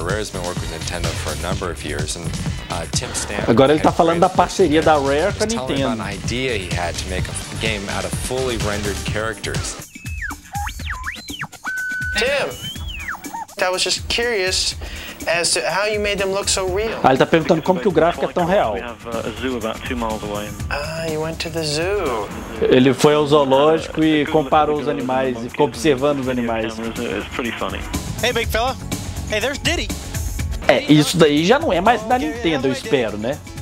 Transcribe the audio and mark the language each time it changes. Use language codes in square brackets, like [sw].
[en] Rare's been working with Nintendo for a number of years, and Tim Stamper. [pt] Agora ele tá falando da parceria da Rare com a Nintendo. [en] He was telling me about an idea he had to make a game out of fully rendered characters. Tim, I was just curious as to how you made them look so real. [pt] Ah, ele tá perguntando como que o gráfico é tão real. [en] We have a zoo about 2 miles away. You went to the zoo. [pt] Ele foi ao zoológico e comparou os animais e ficou observando os animais. [en] It's pretty funny. Hey, big fella. Hey, there's Diddy. [pt] É, isso daí já não é mais da Nintendo, eu espero, né?